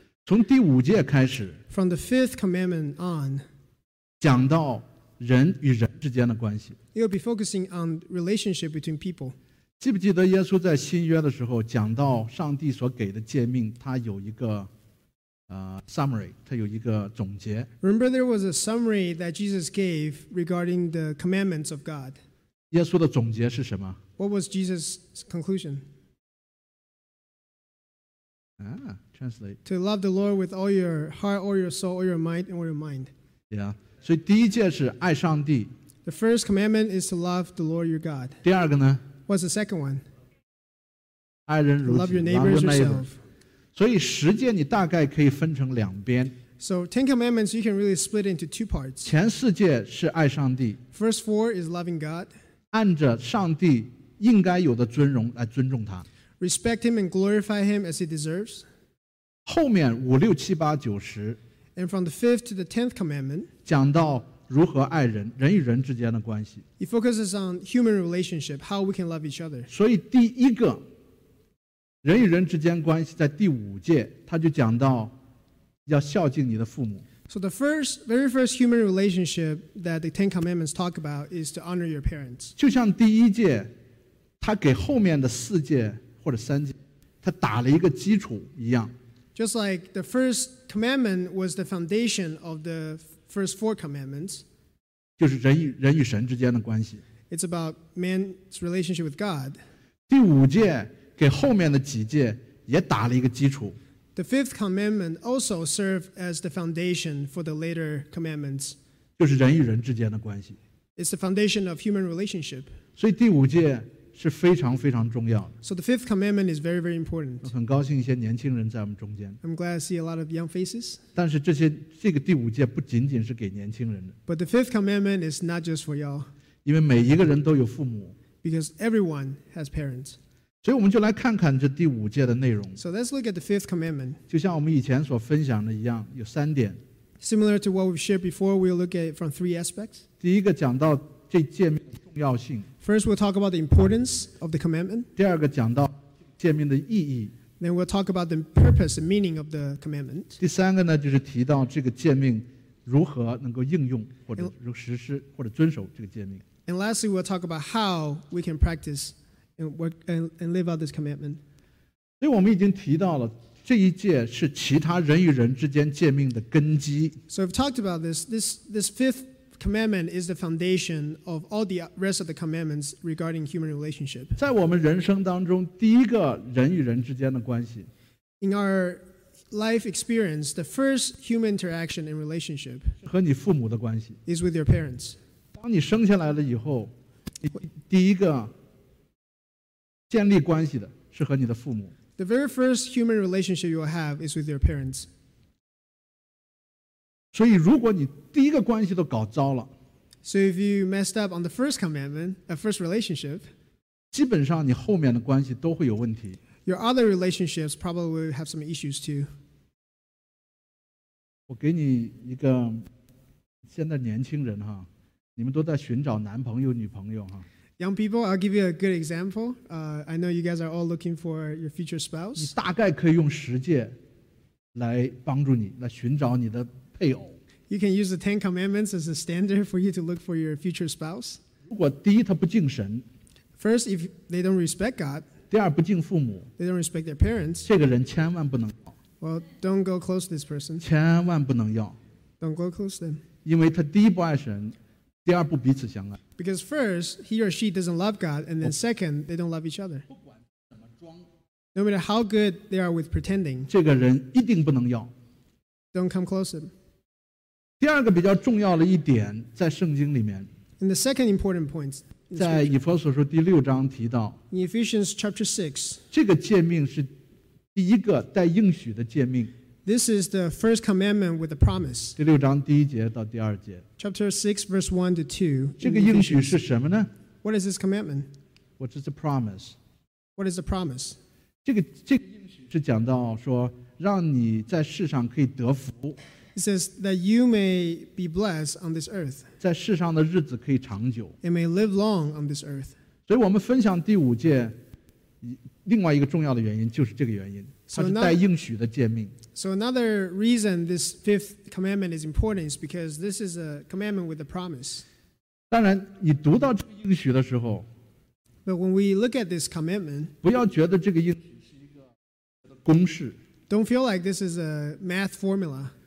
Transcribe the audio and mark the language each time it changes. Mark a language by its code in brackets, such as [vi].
[zh] 从第五诫开始 [en] ，From the fifth commandment on, [zh] 讲到人与人之间的关系。 [en] You'll be focusing on relationship between people. [zh] 记不记得耶稣在新约的时候讲到上帝所给的诫命，他有一个。 [en] Summary, [zh] 它有一个总结。 [en] Remember there was a summary that Jesus gave regarding the commandments of God. [zh] 耶稣的总结是什么? [en] What was Jesus' conclusion? Translate. To love the Lord with all your heart, all your soul, all your mind, and all your mind. [zh] Yeah, 所以第一诫是爱上帝。 [en] The first commandment is to love the Lord your God. [zh] 第二个呢? [en] What's the second one? [zh] 爱人如己, [en] love your neighbors yourself. [zh] 所以十诫你大概可以分成两边。 [en] So Ten Commandments you can really split into two parts. [zh] 前四诫是爱上帝。 [en] First four is loving God. [zh] 按着上帝应该有的尊荣来尊重他。 [en] Respect him and glorify him as he deserves. [zh] 后面五六七八九十。 [en] And from the fifth to the tenth commandment. [zh] 讲到如何爱人，人与人之间的关系。 [en] It focuses on human relationship, how we can love each other. [zh] 所以第一个。人与人之间关系在第五诫他就讲到要孝敬你的父母。 [en] So the first, very first human relationship that the Ten Commandments talk about is to honor your parents. [zh] 就像第一诫他给后面的四诫或者三诫他打了一个基础一样。 [en] Just like the first commandment was the foundation of the first four commandments. [zh] 就是人与神之间的关系。 [en] It's about man's relationship with God. [zh] 第五诫给后面的几诫也打了一个基础。 [en] The fifth commandment also served as the foundation for the later commandments. [zh] 就是人与人之间的关系。 [en] It's the foundation of human relationship. [zh] 所以第五诫是非常非常重要的。 [en] So the fifth commandment is very, very important. [zh] 我很高兴一些年轻人在我们中间。 [en] I'm glad to see a lot of young faces. [zh] 但是这个第五诫不仅仅是给年轻人的。 [en] But the fifth commandment is not just for y'all. [zh] 因为每一个人都有父母。 [en] Because everyone has parents. [zh] 所以我们就来看看这第五诫的内容。 [en] So let's look at the fifth commandment. [zh] 就像我们以前所分享的一样，有三点。 [en] Similar to what we've shared before, we'll look at it from three aspects. [zh] 第一个讲到这诫命的重要性。 [en] First, we'll talk about the importance of the commandment. [zh] 第二个讲到诫命的意义。 [en] Then we'll talk about the purpose and meaning of the commandment. [zh] 第三个呢，就是提到这个诫命如何能够应用或者实施或者遵守这个诫命。 [en] And lastly, we'll talk about how we can practice. And live out this commandment. [zh] 所以我们已经提到了这一诫是其他人与人之间诫命的根基。 [en] So we've talked about this. This fifth commandment is the foundation of all the rest of the commandments regarding human relationship. [zh] 在我们人生当中，第一个人与人之间的关系。 [en] In our life experience, the first human interaction and relationship [zh] 和你父母的关系。 [en] Is with your parents. [zh] 当你生下来了以后，第一个建立关系的是和你的父母。 [en] The very first human relationship you will have is with your parents. [zh] 所以如果你第一个关系都搞糟了， [en] So if you messed up on the first commandment, the first relationship, [zh] 基本上你后面的关系都会有问题。 [en] Your other relationships probably will have some issues too. [zh] 我给你一个，现在年轻人哈，你们都在寻找男朋友女朋友哈。 [en] Young people, I'll give you a good example. I know you guys are all looking for your future spouse. [zh] 你大概可以用十诫来帮助你，来寻找你的配偶。 [en] You can use the Ten Commandments as a standard for you to look for your future spouse. [zh] 如果第一他不敬神。 [en] First, if they don't respect God. [zh] 第二不敬父母。 [en] They don't respect their parents. [zh] 这个人千万不能要。 [en] Well, don't go close to this person. [zh] 千万不能要。 [en] Don't go close to them. [zh] 因为他第一不爱神，第二不彼此相爱。 [en] Because first, he or she doesn't love God, and then second, they don't love each other. No matter how good they are with pretending, [zh] 这个人一定不能要。 [en] Don't come close to him. [zh] 第二个比较重要的一点在圣经里面。 [en] And the second important point, [zh] 在以弗所书第六章提到。 [en] In Ephesians chapter 6, [zh] 这个诫命是第一个带应许的诫命。 [en] This is the first commandment with a promise. [zh] 第六章第一节到第二节。 [en] Chapter 6, verse 1 to 2. [zh] 这个应许是什么呢？ [en] What is this commandment? What is the promise? What is the promise? [zh] 这个应许是讲到说，让你在世上可以得福。 [en] It says that you may be blessed on this earth. [zh] 在世上的日子可以长久。 [en] And may live long on this earth. [zh] 所以我们分享第五诫，另外一个重要的原因就是这个原因。它是带应许的诫命。 [en] So another reason this fifth commandment is important is because this is a commandment with a promise. [zh] 当然，你读到这个应许的时候， [en] But when we look at this commandment, [zh] 不要觉得这个应许是一个公式。 [en] Don't feel like this is a math formula.